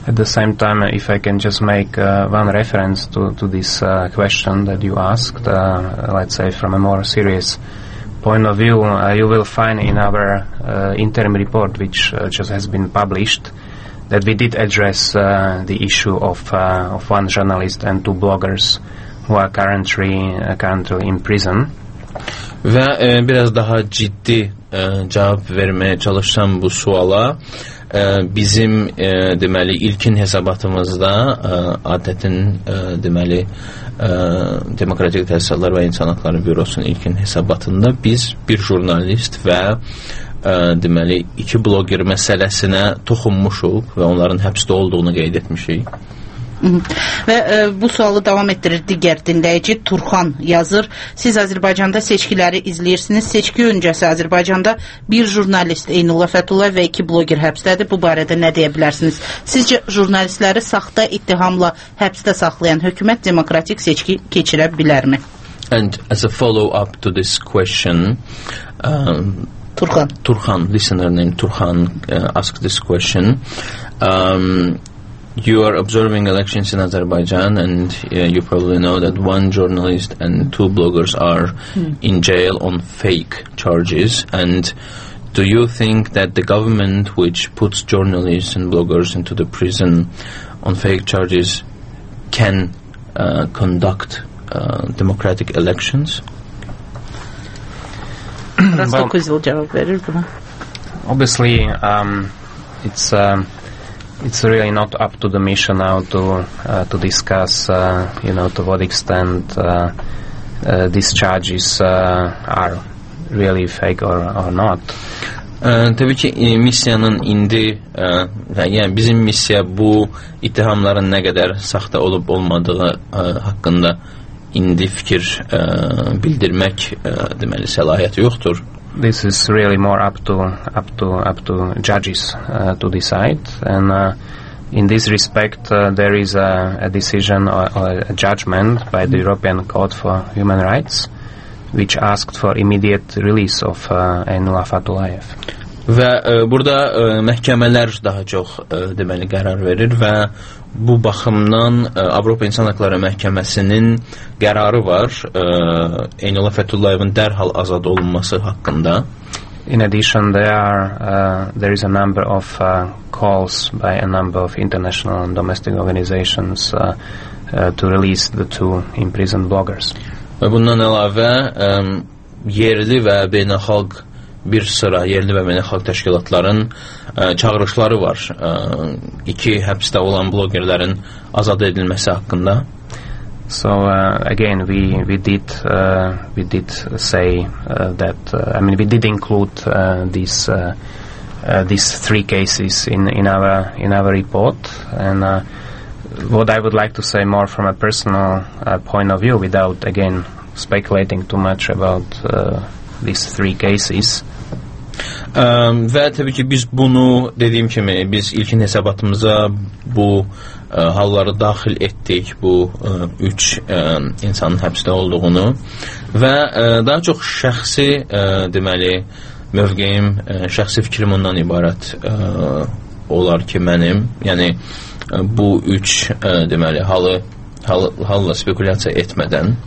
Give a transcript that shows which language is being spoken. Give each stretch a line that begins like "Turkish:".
English: At the same time, if I can just make one reference to this question that you asked, let's say from a more serious point of view, you will find in our interim report, which just has been published, that we did address the issue of one journalist and two bloggers who are currently in prison.
Azerbaijani: Və biraz daha ciddi cavab verməyə çalışsam bu suala, bizim deməli ilkin hesabatımızda ATƏT-in deməli Demokratik Təhsillər və İnsan Hakları Bürosunun ilkin hesabatında biz bir jurnalist və deməli iki blogger məsələsinə toxunmuşuq və onların həbsdə olduğunu qeyd etmişik. Və bu sualı davam etdirir digər dinləyici Turxan yazır. Siz Azərbaycanda seçkiləri izləyirsiniz. Seçki öncəsi Azərbaycanda bir jurnalist Eynullah Fətullah və iki blogger həbsdədir. Bu barədə nə deyə bilərsiniz? Sizcə jurnalistləri saxta ittihamla həbsdə saxlayan hökumət demokratik seçki keçirə bilərmi?
English: And as a follow up to this question, Turxan, listener named Turxan asked this question. You are observing elections in Azerbaijan, and you probably know that one journalist and two bloggers are in jail on fake charges. And do you think that the government, which puts journalists and bloggers into the prison on fake charges, can conduct democratic elections? Well, obviously, it's it's really not up to the mission now to discuss, you know, to what extent these charges are really fake or not.
Azerbaijani: Təbii ki, missiyanın indi, yəni bizim missiya bu ittihamların nə qədər saxta olub olmadığı haqqında indi fikir bildirmək deməli səlahiyyəti yoxdur.
English: This is really more up to judges to decide, and in this respect there is a decision or a judgment by the European Court for Human Rights, which asked for immediate release of Eynullah Fatullayev.
Azerbaijani: Və burada məhkəmələr daha çox deməli qərar verir və bu baxımdan Avropa İnsan Hakları Məhkəməsinin qərarı var Eynola Fətullayevın dərhal azad olunması haqqında.
English: In addition, there is a number of calls by a number of international and domestic organizations to release the two imprisoned bloggers.
Azerbaijani: Və bundan əlavə yerli və beynəlxalq bir sıra yerli və beynəlxalq təşkilatların çağırışları var iki həbsdə olan bloggerlərin azad edilməsi haqqında.
English: So again we did say that I mean we did include these three cases in our report and what I would like to say more from a personal point of view without again speculating too much about these three cases.
Azerbaijani: Və təbii ki, biz bunu, dediyim kimi, biz ilkin hesabatımıza bu halları daxil etdik, bu üç insanın həbsdə olduğunu və daha çox şəxsi, deməli, mövqeyim, şəxsi fikrim ondan ibarət olar ki, mənim, yəni bu üç, deməli, halla spekulyasiya etmədən.